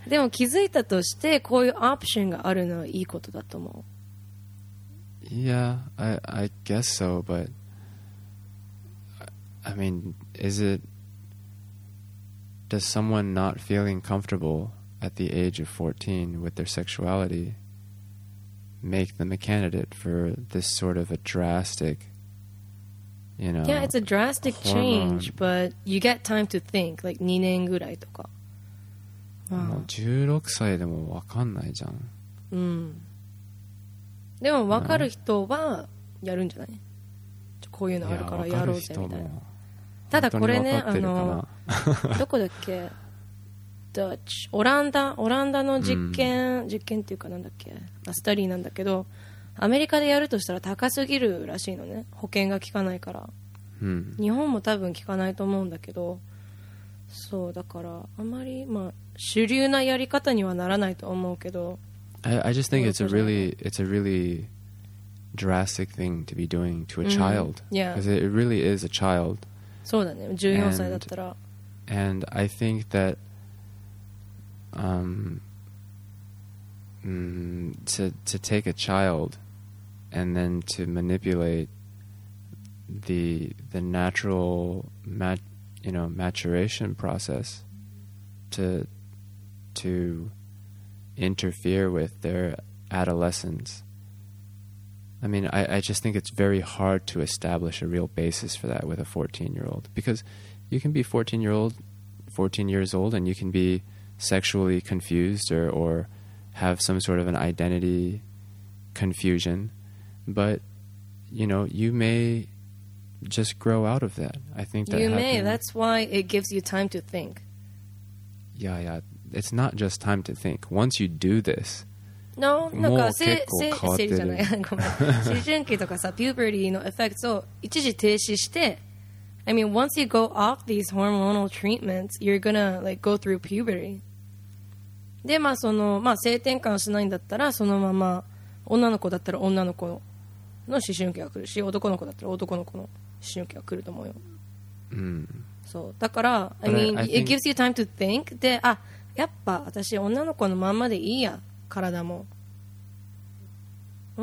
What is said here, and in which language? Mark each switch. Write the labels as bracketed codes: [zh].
[ja] でも気づいたとしてこういうオプションがあるのはいいことだと思う。 [en] Yeah, I guess so, but... I mean, is it, does someone not feeling comfortable at the age of 14 with their sexuality make them a candidate for this sort of a drastic, you know? Yeah, it's a drastic hormone. Change, but you get time to think, like [ja] 2年ぐらいとか。もう16歳でもわかんないじゃん。でも分かる人はやるんじゃない？ちょこういうのあるからやろうぜみたいな。ただこれね、あのどこだっけ、ドッチ、オランダの実験、実験っていうかなんだっけ、まあ、スタリーなんだけど、アメリカでやるとしたら高すぎるらしいのね、保険が効かないから、うん、日本も多分効かないと思うんだけど、そうだからあまり、まあ、主流なやり方にはならないと思うけど、 [en] I just think it's a really drastic thing to be doing to a child、うん、yeah. Because it really is a child。 [ja] そうだね、14歳だったら、 [en] and I think thatto take a child and then to manipulate the natural maturation process to interfere with their adolescence. I mean, I just think it's very hard to establish a real basis for that with a 14-year-old, because you can be 14 years old and you can be sexually confused or have some sort of an identity confusion, but you know, you may just grow out of that. I think that you、 happened. May. That's why it gives you time to think. Yeah, yeah. It's not just time to think. Once you do this, [ja] no, なんか生理じゃない。ごめん。思春期とかさ、puberty のエフェクトを一時停止して。 [en] I mean, once you go off these hormonal treatments, you're gonna like go through puberty. [ja] で、まあそのまあ性転換しないんだったらそのまま女の子だったら女の子の思春期が来るし、男の子だったら男の子の思春期が来ると思うよ。うん。そうだから、 [en] I mean, it gives you time to think. [ja] で、あ、やっぱ私女の子のまんまでいいや、体も。ん？